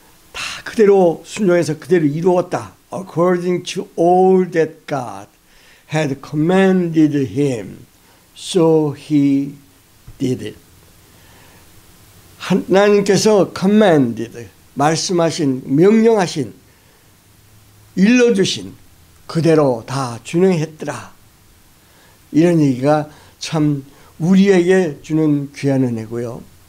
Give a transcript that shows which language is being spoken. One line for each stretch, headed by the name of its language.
Korean: 다 그대로 순종해서 그대로 이루었다.
English: According to all that God had commanded him, so he did it.
Korean: 하나님께서 commanded, 말씀하신, 명령하신, 일러주신 그대로 다 준행했더라. 이런 얘기가 참 우리에게 주는 귀한 은혜고요.